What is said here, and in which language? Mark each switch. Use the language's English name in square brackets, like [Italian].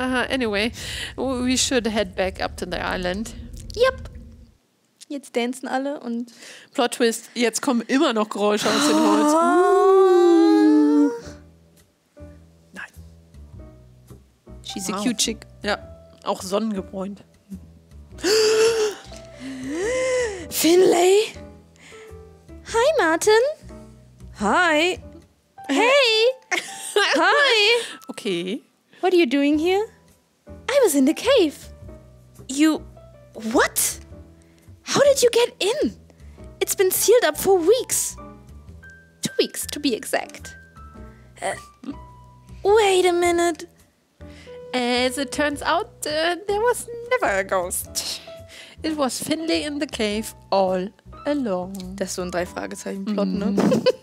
[English] Anyway, we should head back up to the island. [German] Yep. Jetzt tanzen alle und... Plot twist, jetzt kommen immer noch Geräusche aus dem Holz. Nein. [English] She's a cute chick. [German] Ja, auch sonnengebräunt. [English] Finlay? Hi, Martin. Hi. Hey. Hi. Okay. What are you doing here? I was in the cave. You... What? How did you get in? It's been sealed up for weeks. 2 weeks, to be exact. Wait a minute. As it turns out, there was never a ghost. It was Finlay in the cave all along. [German] Das ist so ein Drei-Fragezeichen-Plot, ne?